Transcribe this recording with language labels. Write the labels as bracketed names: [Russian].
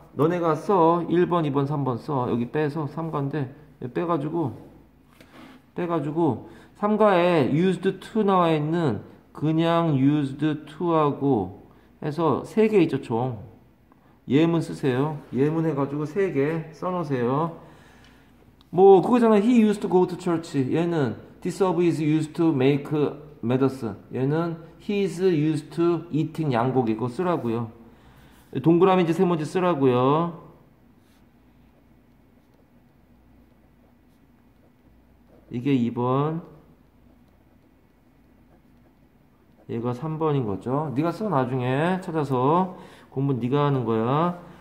[Korean] 너네가 써. 1번, 2번, 3번 써. 여기 빼서 삼가인데 빼가지고 삼가에 used to 나와 있는 그냥 used to하고 해서 세개 있죠, 총. 예문 쓰세요. 예문 해가지고 세개 써놓으세요. 뭐, 그거잖아. [English] He used to go to church. 얘는 this herb is used to make medicine. 얘는 he is used to eating 양고기. [Korean] 그거 쓰라고요. 동그라미인지 세모인지 쓰라고요. 이게 2번. 얘가 3번인 거죠. 네가 써 나중에 찾아서 공부 네가 하는 거야.